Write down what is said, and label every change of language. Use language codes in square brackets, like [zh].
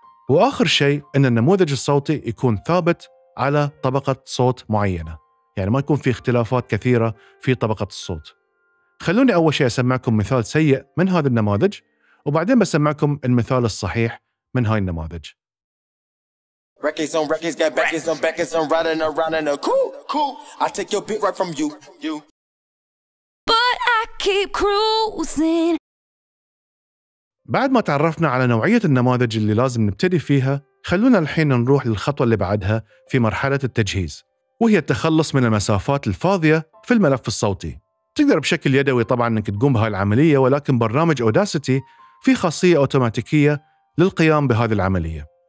[ar] وآخر شيء أن النموذج الصوتي يكون ثابت على طبقة صوت معينة، يعني ما يكون في اختلافات كثيرة في طبقة الصوت. خلوني أول شيء أسمعكم مثال سيء من هذا النماذج، وبعدين بسمعكم المثال الصحيح من هاي النماذج. [en] Rackets on rackets, got backers on backers, I'm riding around in a coupe, coupe. I take your bit right from you, you. But I keep cruising. [ar] بعد ما تعرفنا على نوعية النماذج اللي لازم نبتدي فيها، خلونا الحين نروح للخطوة اللي بعدها في مرحلة التجهيز، وهي التخلص من المسافات الفاضية في الملف الصوتي. تقدر بشكل يدوي طبعاً أنك تقوم بهذه العملية، ولكن برنامج أوداسيتي فيه خاصية أوتوماتيكية للقيام بهذه العملية.